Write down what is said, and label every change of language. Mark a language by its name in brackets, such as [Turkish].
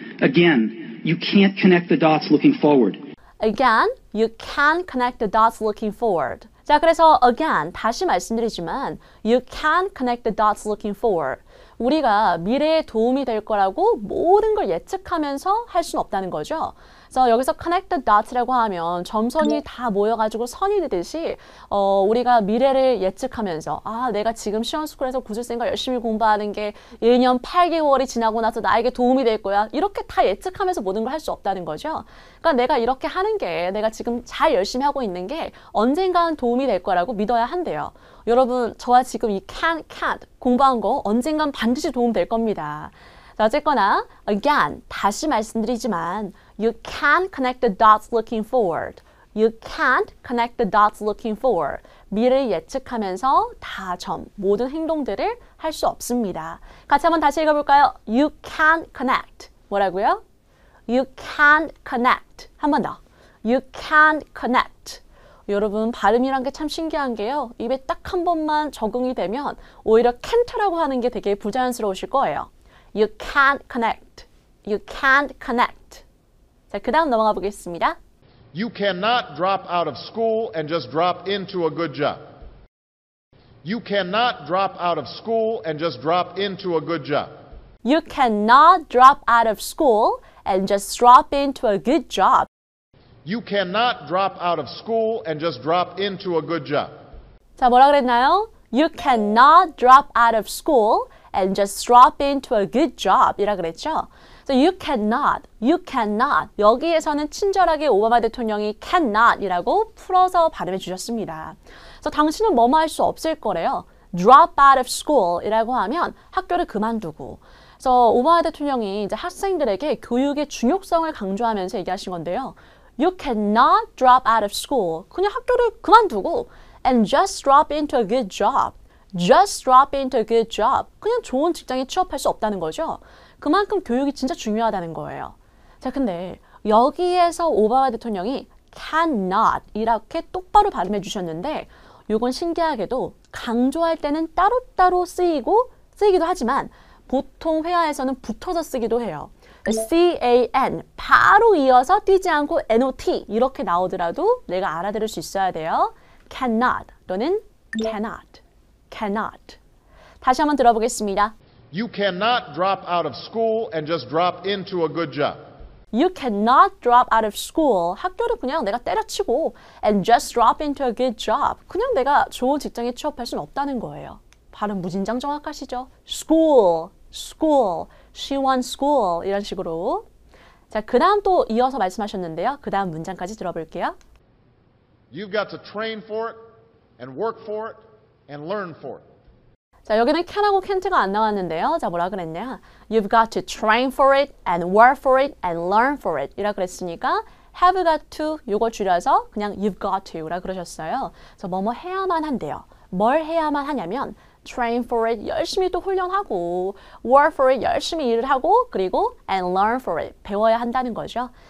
[English] Again, you can't connect the dots looking forward. Again, you can connect the dots looking forward. [Korean] 자, 그래서 [English] again [Korean] 다시 말씀드리지만, [English] you can connect the dots looking forward. [Korean] 우리가 미래에 도움이 될 거라고 모든 걸 예측하면서 할 수는 없다는 거죠. 그래서 여기서 connect the dots라고 하면 점선이 다 모여가지고 선이 되듯이 우리가 미래를 예측하면서 아 내가 지금 시험스쿨에서 구술생과 열심히 공부하는 게 1년 8개월이 지나고 나서 나에게 도움이 될 거야 이렇게 다 예측하면서 모든 걸할수 없다는 거죠. 그러니까 내가 이렇게 하는 게 내가 지금 잘 열심히 하고 있는 게 언젠가는 도움이 될 거라고 믿어야 한대요. 여러분 저와 지금 이 can't 공부한 거 언젠간 반드시 도움 될 겁니다. 자, 어쨌거나 [English] again [Korean] 다시 말씀드리지만 [English] You can't connect the dots looking forward. You can't connect the dots looking forward. [Korean] 미래를 예측하면서 모든 행동들을 할수 없습니다. 같이 한번 다시 읽어볼까요? [English] You can't connect. [Korean] 뭐라고요? [English] You can't connect. [Korean] 한번 더. [English] You can't connect. [Korean] 여러분, 발음이란 게참 신기한 게요. 입에 딱한 번만 적응이 되면 오히려 can't라고 하는 게 되게 부자연스러우실 거예요. [English] You can't connect. You can't connect. [Korean] 자, 그 다음 넘어가 보겠습니다. [English] You cannot drop out of school and just drop into a good job. You cannot drop out of school and just drop into a good job. You cannot drop out of school and just drop into a good job. You cannot drop out of school and just drop into a good job. [Korean] 자, 뭐라 그랬나요? [English] You cannot drop out of school and just drop into a good job [Korean] 이라 그랬죠? [English] So you cannot, you cannot. [Korean] 여기에서는 친절하게 오바마 대통령이 cannot 이라고 풀어서 발음해 주셨습니다. So 당신은 뭐뭐 할 수 없을 거래요. [English] Drop out of school [Korean] 이라고 하면 학교를 그만두고. So 오바마 대통령이 이제 학생들에게 교육의 중요성을 강조하면서 얘기하신 건데요. [English] You cannot drop out of school. [Korean] 그냥 학교를 그만두고. [English] And just drop into a good job. Just drop into a good job. [Korean] 그냥 좋은 직장에 취업할 수 없다는 거죠. 그만큼 교육이 진짜 중요하다는 거예요. 자, 근데 여기에서 오바마 대통령이 cannot 이렇게 똑바로 발음해 주셨는데 이건 신기하게도 강조할 때는 따로따로 쓰이고 쓰이기도 하지만 보통 회화에서는 붙어서 쓰기도 해요. C-A-N 바로 이어서 띄지 않고 N-O-T 이렇게 나오더라도 내가 알아들을 수 있어야 돼요. [English] cannot 또는 cannot. cannot. [Korean] 다시 한번 들어보겠습니다. [English] You cannot drop out of school and just drop into a good job. You cannot drop out of school. [Korean] 학교를 그냥 내가 때려치고 [English] and just drop into a good job. [Korean] 그냥 내가 좋은 직장에 취업할 수는 없다는 거예요. 발음 무진장 정확하시죠? [English] school, school, she wants school [Korean] 이런 식으로. 자, 그다음 또 이어서 말씀하셨는데요. 그다음 문장까지 들어볼게요. [English] You've got to train for it and work for it and learn for it. [Korean] 자, 여기는 can하고 can't가 안 나왔는데요. 자, 뭐라 그랬냐? [English] You've got to train for it and work for it and learn for it. [Korean] 이라 그랬으니까 have got to 요거 줄여서 그냥 you've got to 라 그러셨어요. 그래서 뭐뭐 해야만 한대요. 뭘 해야만 하냐면 [English] train for it [Korean] 열심히 또 훈련하고 [English] work for it [Korean] 열심히 일을 하고 그리고 [English] and learn for it [Korean] 배워야 한다는 거죠.